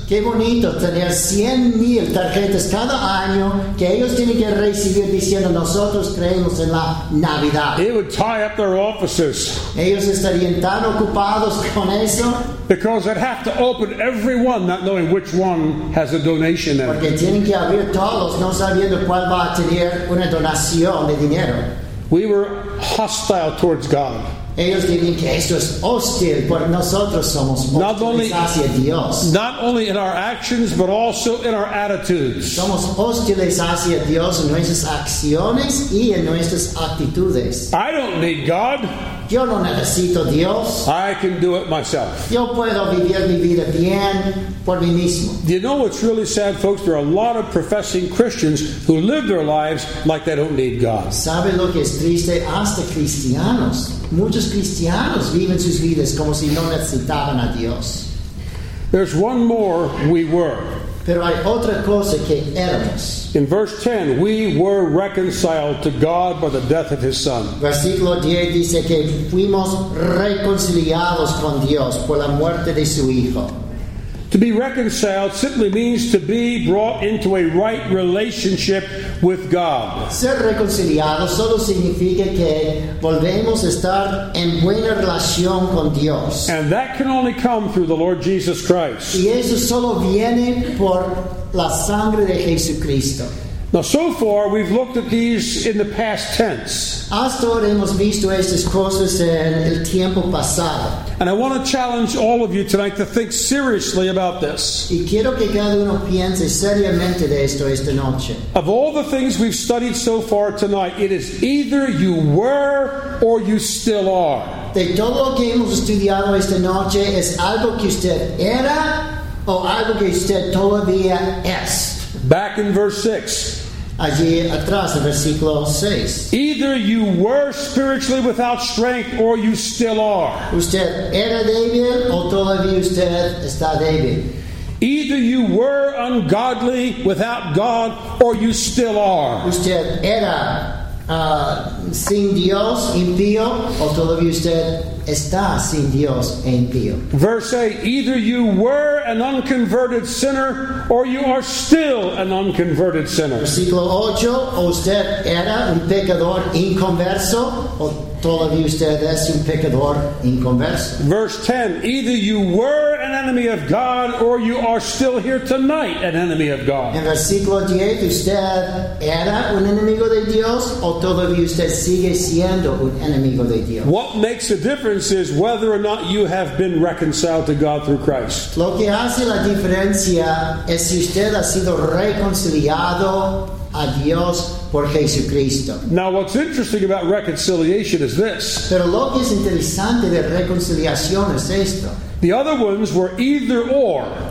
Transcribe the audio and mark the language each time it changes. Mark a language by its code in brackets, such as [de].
[es] Qué bonito tener 100,000 tarjetas cada año que ellos tienen que recibir diciendo nosotros creemos en la Navidad. [en] It would tie up their offices. [es] Ellos estarían tan ocupados con eso. [en] Because they'd have to open every one, not knowing which one has a donation in. [es] Porque tienen que abrir todos, no sabiendo cuál va a tener una donación de dinero. [en] We were hostile towards God. [es] Ellos dicen que esto es hostil, pero nosotros somos hostiles hacia Dios. [en] Not only in our actions, but also in our attitudes. [es] Somos hostiles hacia Dios en nuestras acciones y en nuestras actitudes. [en] I don't need God. [es] Yo no necesito Dios. [en] I can do it myself. [es] Yo puedo vivir mi vida bien por mí mismo. [en] Do you know what's really sad, folks? There are a lot of professing Christians who live their lives like they don't need God. [es] ¿Sabe lo que es triste? Hasta cristianos Muchos cristianos viven sus vidas como si no necesitaban a Dios. [en] There's one more we were. [es] Pero hay otra cosa que éramos. [en] In verse 10, we were reconciled to God by the death of His Son. [es] Versículo 10 dice que fuimos reconciliados con Dios por la muerte de su Hijo. [en] To be reconciled simply means to be brought into a right relationship with God. [es] Ser reconciliado solo significa que volvemos a estar en buena relación con Dios. [en] And that can only come through the Lord Jesus Christ. [es] Y eso solo viene por la sangre de Jesucristo. [en] Now, so far, we've looked at these in the past tense. [es] Hasta ahora hemos visto estas cosas en el tiempo pasado. [en] And I want to challenge all of you tonight to think seriously about this. [es] Y quiero que cada uno piense seriamente de esto esta noche. [en] Of all the things we've studied so far tonight, it is either you were or you still are. [es] De todo lo que hemos estudiado esta noche, es algo que usted era o algo que usted todavía es. [en] Back in verse 6. [es] Allí atrás, en versículo 6. [en] Either you were spiritually without strength or you still are. [es] Usted era débil o todavía usted está débil. [en] Either you were ungodly without God or you still are. [es] Usted era sin Dios, impío, o todavía usted está sin Dios e impío. [en] Verse 8, either you were an unconverted sinner or you are still an unconverted sinner. [es] Versículo 8, o usted era un pecador inconverso, o todavía usted es un pecador inconverso. [en] Verse 10, either you were an enemy of God or you are still here tonight an enemy of God. [es] En versículo 10, usted era un enemigo de Dios o todavía usted sigue siendo un enemigo de Dios. [en] What makes a difference is whether or not you have been reconciled to God through Christ. [es] Lo que hace la diferencia es si usted ha sido reconciliado a Dios por Jesucristo. [en] Now, what's interesting about reconciliation is this. [es] Pero lo que es interesante de reconciliación es esto. [en] The other ones were either or.